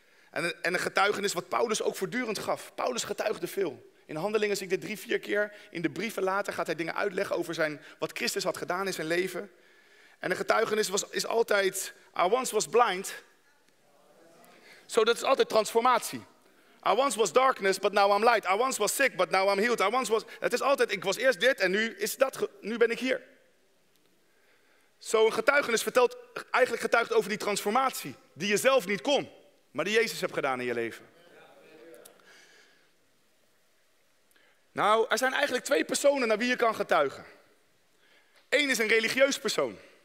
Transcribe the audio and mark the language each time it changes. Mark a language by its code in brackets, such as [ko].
[nl] En een getuigenis wat Paulus ook voortdurend gaf. Paulus getuigde veel. In Handelingen zie ik dit 3-4 keer. In de brieven later gaat hij dingen uitleggen over wat Christus had gedaan in zijn leven. En een getuigenis is altijd, [en] I once was blind. [nl] Zo, dat is altijd transformatie. [en] I once was darkness, but now I'm light. I once was sick, but now I'm healed. [nl] Het is altijd, ik was eerst dit en nu is dat. Nu ben ik hier. Zo, een getuigenis vertelt eigenlijk getuigd over die transformatie. Die je zelf niet kon, maar die Jezus hebt gedaan in je leven. Nou, er zijn eigenlijk 2 personen naar wie je kan getuigen. 1 is een religieus persoon.